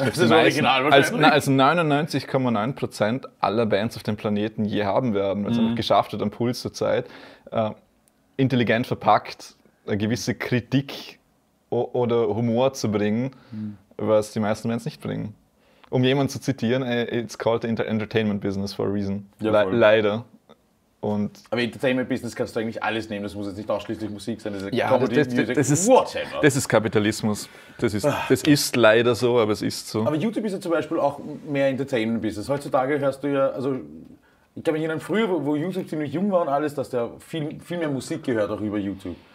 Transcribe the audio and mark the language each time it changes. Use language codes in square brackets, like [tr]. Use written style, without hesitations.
[de] Das ist original wahrscheinlich. Als 99,9% aller Bands auf dem Planeten je haben werden, weil es einfach geschafft hat, am Puls der Zeit, intelligent verpackt, eine gewisse Kritik oder Humor zu bringen, was die meisten Bands nicht bringen. Um jemanden zu zitieren, [en] it's called the entertainment business for a reason. [de] Ja, leider. Und aber Entertainment Business kannst du eigentlich alles nehmen, das muss jetzt nicht ausschließlich Musik sein. Das ist ja, das ist Kapitalismus. Das ist leider so, aber es ist so. Aber YouTube ist ja zum Beispiel auch mehr Entertainment Business. Heutzutage hörst du ja, also ich kann mich erinnern, früher, wo YouTube ziemlich jung war und alles, dass der viel mehr Musik gehört auch über YouTube.